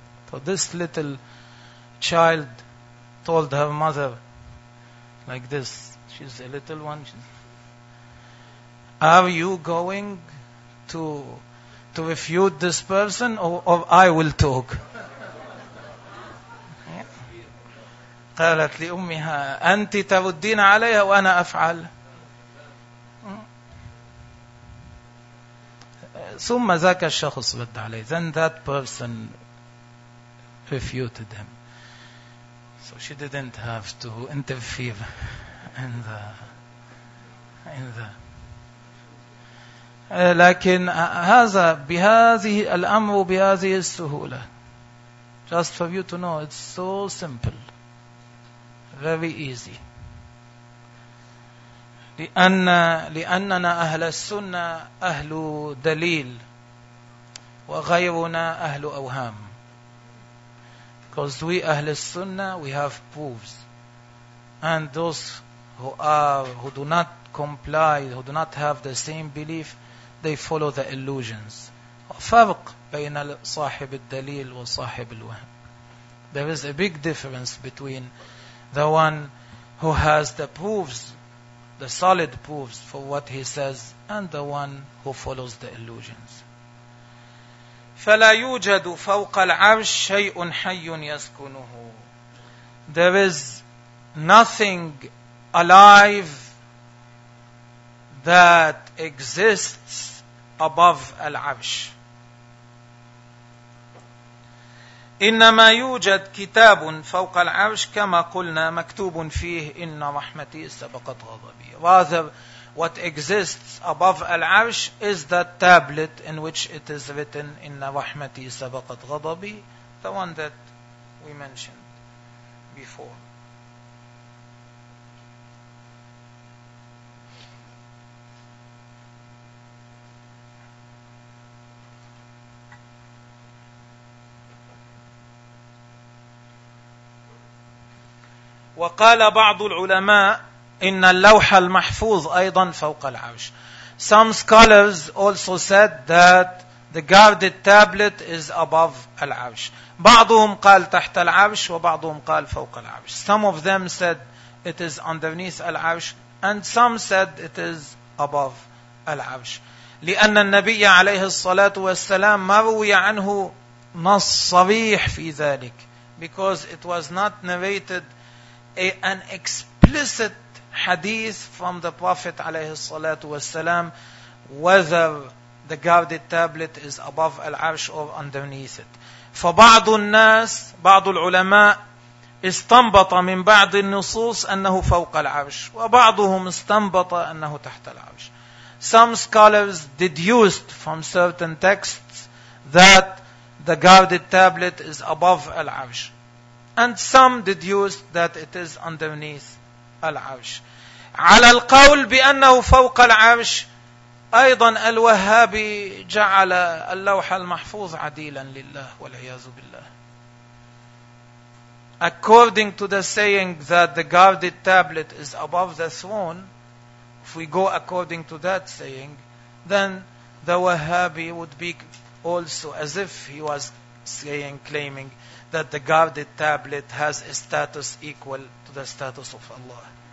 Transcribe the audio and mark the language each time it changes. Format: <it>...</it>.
<en>So this little child told her mother like this. She's a little one. Are you going to refute this person or I will talk?</en> <ar>قالت لأمها أنت تردين عليها وأنا أفعل. ثم ذاك الشخص رد عليه.</ar> <en>Then that person refuted him. So she didn't have to interfere in the.</en> <ar>لكن هذا بهذه الأمر بهذه السهولة.</ar> <en>Just for you to know, it's so simple, very easy.</en> <ar>لأننا أهل السنة أهل دليل وغيرنا أهل أوهام.</ar> <en>Because we Ahl al-Sunnah, we have proofs. And those who do not comply, who do not have the same belief, they follow the illusions.</en> <ar>فرق بين صاحب الدليل وصاحب الوهم.</ar> <en>There is a big difference between the one who has the proofs, the solid proofs for what he says, and the one who follows the illusions.</en> <ar>فلا يوجد فوق العرش شيء حي يسكنه.</ar> <en>There is nothing alive that exists above العرش.</en> <ar>إنما يوجد كتاب فوق العرش كما قلنا مكتوب فيه إن رحمتي سبقت غضبي.</ar> <en>Rather, what exists above Al-Arsh is that tablet in which it is written</en> <ar>إِنَّ رَحْمَتِي سَبَقَتْ غَضَبِي,</ar> <en>the one that we mentioned before.</en> <ar>وقال بعض العلماء إن اللوح المحفوظ أيضا فوق العرش.</ar> <en>Some scholars also said that the guarded tablet is above العرش.</en> <ar>بعضهم قال تحت العرش وبعضهم قال فوق العرش.</ar> <en>Some of them said it is underneath Al-Arsh, and some said it is above Al-Arsh.</en> <ar>لأن النبي عليه الصلاة والسلام مروي عنه نص صريح في ذلك.</ar> <en>Because it was not narrated an explicit hadith from the Prophet</en> <ar>عليه الصلاة والسلام</ar> <en>whether the guarded tablet is above Al-Arsh or underneath it.</en> <ar>فبعض الناس بعض العلماء استنبط من بعض النصوص أنه فوق العرش وبعضهم استنبط أنه تحت العرش.</ar> <en>Some scholars deduced from certain texts that the guarded tablet is above Al-Arsh, and some deduced that it is underneath Al-Arsh.</en> <ar>على القول بأنه فوق العرش أيضا الوهابي جعل اللوح المحفوظ عديلا لله والعياذ بالله.</ar> <en>According to the saying that the guarded tablet is above the throne, if we go according to that saying, then the Wahhabi would be also as if he was saying, claiming that the guarded tablet has a status equal to the status of Allah.</en>